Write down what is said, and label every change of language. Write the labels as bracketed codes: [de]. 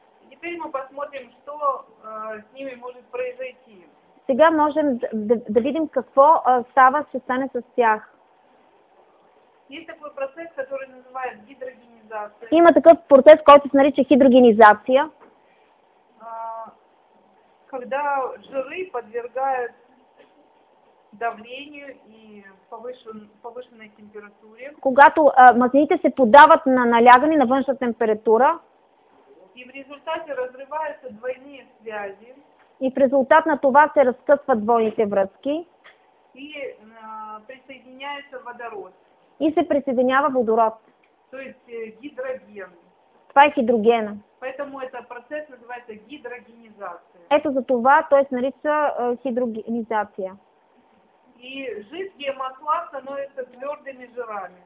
[ru] Теперь мы посмотрим, что с ними может произойти. [bg] Сега можем да видим какво става, ще стане с тях. [ru] Есть такой процесс, который называют гидрогенизация. [bg] Има такъв процес, който се нарича хидрогенизация. [ru] Когда жиры подвергают давлению и повышенной температуре. [bg] Когато мазнините се поддават на налягане на външна температура. [ru] И в резултате разрываются двойные связи. [bg] И в резултат на това се разкъсват двойните връзки. [ru] И присоединяется водород. [bg] И се присъединява водород. [ru] То есть гидроген. [bg] Това е хидрогена. [ru] Поэтому этот процесс называется гидрогенизация. [bg] Ето за това той се нарича хидрогенизация. [ru] И жидкие масла становятся твердыми жирами.